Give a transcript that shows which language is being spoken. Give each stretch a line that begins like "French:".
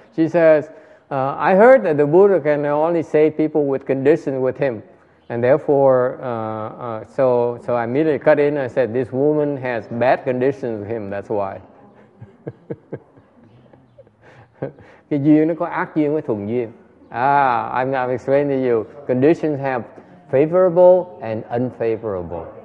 English: She says, I heard that the Buddha can only save people with conditions with him. And therefore, so I immediately cut in and said, this woman has bad conditions with him, that's why.
Vietnamese: Cái duyên nó có ác duyên với thuận duyên.
English: I've explained to you, conditions have favorable and unfavorable.